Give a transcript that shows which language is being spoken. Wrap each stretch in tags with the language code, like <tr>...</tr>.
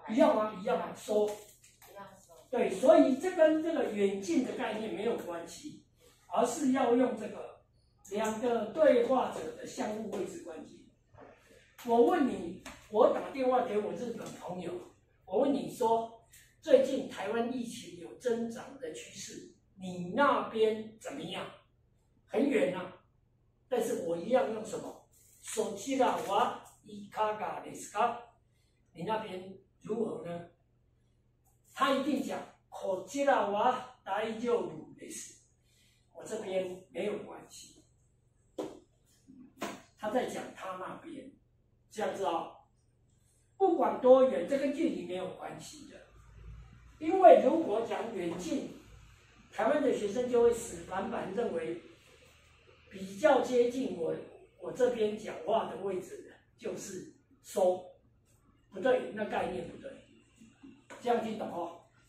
<zh>一样啊，一样说。对，所以这跟这个远近的概念没有关系，而是要用这个两个对话者的相互位置关系。我问你，我打电话给我日本朋友，我问你说，最近台湾疫情有增长的趋势，你那边怎么样？很远啊，但是我一样用什么？</zh> <ja>そちらはいかがですか？</ja> <zh>你那边如何呢？他一定讲</zh> <ja>こちらは大丈夫です。</ja> <zh>我这边没有关系，他在讲他那边，这样子哦。不管多远，这个距离没有关系的，因为如果讲远近，台湾的学生就会死板板认为比较接近我这边讲话的位置就是说，不对，那概念不对，这样听懂哦。</zh>